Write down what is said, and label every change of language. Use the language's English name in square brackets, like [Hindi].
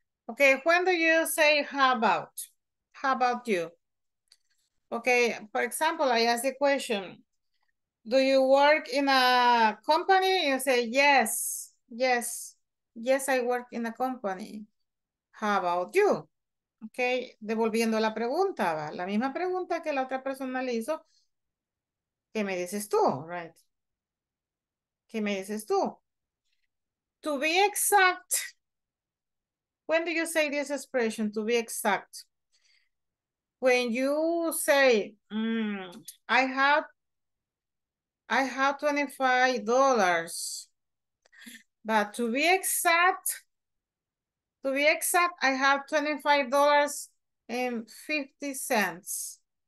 [English] Okay, when do you say how about? How about you? Okay, for example, I ask the question, do you work in a company? You say, yes, yes, yes, I work in a company. How about you? Okay, [Spanish] devolviendo la pregunta, ¿va? La misma pregunta que la otra persona le hizo, ¿qué me dices tú? Right. ¿Qué me dices tú? [English] To be exact, when do you say this expression, to be exact? When you say, I have $25, but to be exact, I have $25.50.